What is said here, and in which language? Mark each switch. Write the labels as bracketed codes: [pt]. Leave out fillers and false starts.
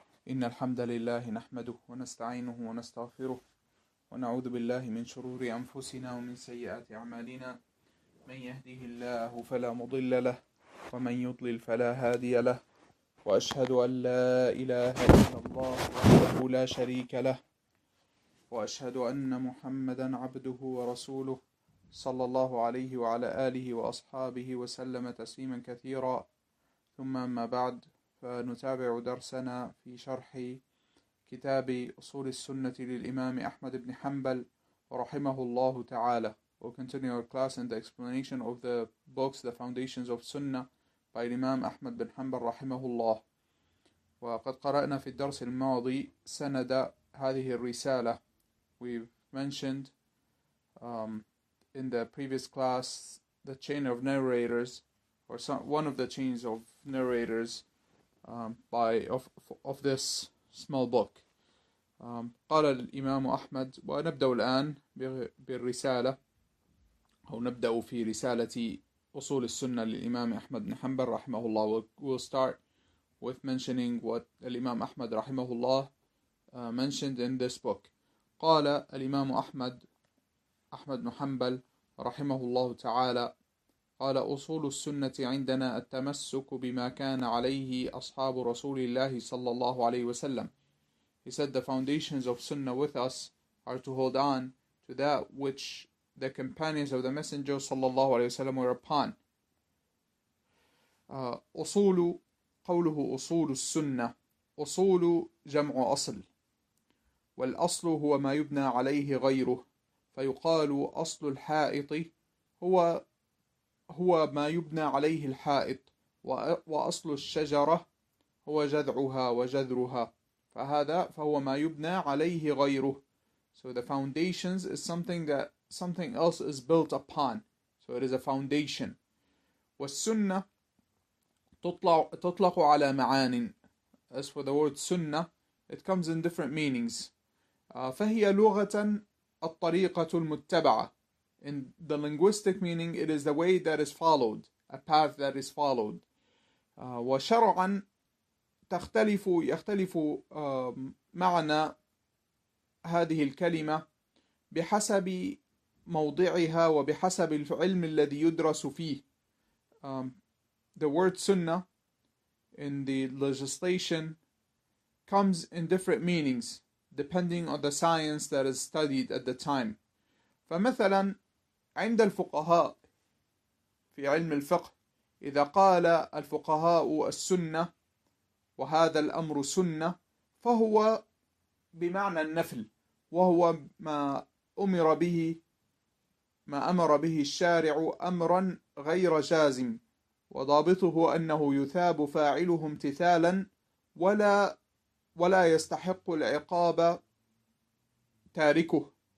[ar] إن الحمد لله نحمده ونستعينه ونستغفره ونعوذ بالله من شرور أنفسنا ومن سيئات أعمالنا، من يهده الله فلا مضل له ومن يضلل فلا هادي له، وأشهد أن لا إله إلا الله وحده لا شريك له، وأشهد أن محمدا عبده ورسوله صلى الله عليه وعلى آله وأصحابه وسلم تسليما كثيرا. ثم أما بعد، فنتابع درسنا في شرح كتاب أصول السنة للإمام أحمد بن حنبل رحمه الله تعالى. [en] We'll continue our class and the explanation of the books, The Foundations of Sunnah by Imam Ahmad bin Hanbal [ar] رحمه الله. وقد قرأنا في الدرس الماضي سند هذه الرسالة. [en] We've mentioned in the previous class the chain of narrators, or one of the chains of narrators of this small book. [ar] قال الإمام أحمد، ونبدأ الآن بالرسالة أو نبدأ في رسالة أصول السنة للإمام أحمد بن حنبل رحمه الله. [en] We'll start with mentioning what [ar] الإمام أحمد رحمه الله [en] mentioned in this book. [ar] قال الإمام أحمد بن حنبل رحمه الله تعالى، قال: أصول السنة عندنا التمسك بما كان عليه أصحاب رسول الله صلى الله عليه وسلم. [en] He said the foundations of Sunnah with us are to hold on to that which the companions of the Messenger [ar] صلى الله عليه وسلم [en] were upon. [ar] أصول، قوله أصول السنة، أصول جمع أصل، والأصل هو ما يبنى عليه غيره، فيقال أصل الحائط هو ما يبنى عليه الحائط، وأصل الشجرة هو جذعها وجذرها، فهذا فهو ما يبنى عليه غيره. [en] So the foundations is something that something else is built upon. So it is a foundation. [ar] والسنة تطلق على معان. [en] As for the word سنة, it comes in different meanings. [ar] فهي لغة الطريقة المتبعة. [en] In the linguistic meaning, it is the way that is followed, a path that is followed. [ar] وشرعا تختلف يختلف معنى هذه الكلمة بحسب موضعها وبحسب العلم الذي يدرس فيه. [en] The word sunnah in the legislation comes in different meanings depending on the science that is studied at the time. [ar] فمثلا عند الفقهاء في علم الفقه، إذا قال الفقهاء السنة وهذا الأمر سنة، فهو بمعنى النفل، وهو ما أمر به الشارع أمرا غير جازم، وضابطه أنه يثاب فاعله امتثالا ولا يستحق العقاب تاركه.